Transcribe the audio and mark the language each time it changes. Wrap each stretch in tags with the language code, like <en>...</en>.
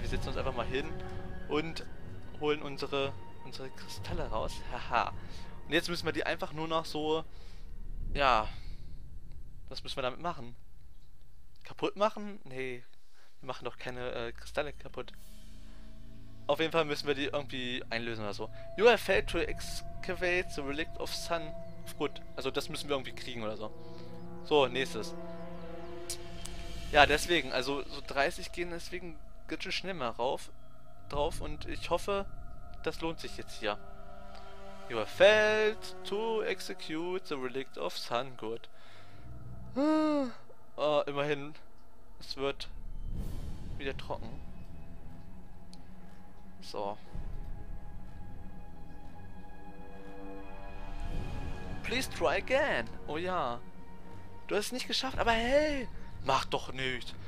<de>Wir setzen uns einfach mal hin und holen unsere Kristalle raus. Haha. Und jetzt müssen wir die einfach nur noch so. Ja. Was müssen wir damit machen? Kaputt machen? Nee. Wir machen doch keine Kristalle kaputt. Auf jeden Fall müssen wir die irgendwie einlösen oder so.</de> <en>You have failed to excavate the Relic of Sun.</en> <de>Gut, also das müssen wir irgendwie kriegen oder so. So, nächstes. Ja, deswegen, also so 30 gehen deswegen ganz schön schnell mal drauf und ich hoffe, das lohnt sich jetzt hier.</de> <en>You have failed to execute the Relic of Sun.</en> <de>Gut. Oh, immerhin, es wird wieder trocken. So.</de> <en>Please try again.</en> <de>Oh ja. Du hast es nicht geschafft, aber hey, mach doch nicht.</de>